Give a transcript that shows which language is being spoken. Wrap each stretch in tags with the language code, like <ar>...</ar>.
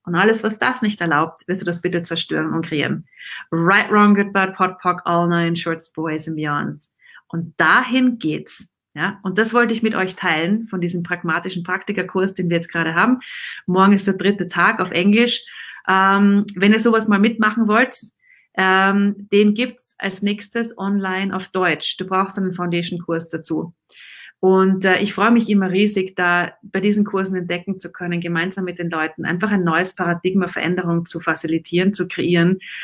<de>Und alles, was das nicht erlaubt, wirst du das bitte zerstören und kreieren.</de> <en>Right, wrong, good, bad, pot, pock, all nine shorts, boys and beyonds.</en> <de>Und dahin geht's, ja. Und das wollte ich mit euch teilen von diesem pragmatischen Praktikerkurs, den wir jetzt gerade haben. Morgen ist der dritte Tag auf Englisch. Wenn ihr sowas mal mitmachen wollt, den gibt's als nächstes online auf Deutsch. Du brauchst einen Foundation-Kurs dazu. Und ich freue mich immer riesig, da bei diesen Kursen entdecken zu können, gemeinsam mit den Leuten einfach ein neues Paradigma Veränderung zu facilitieren, zu kreieren.</de>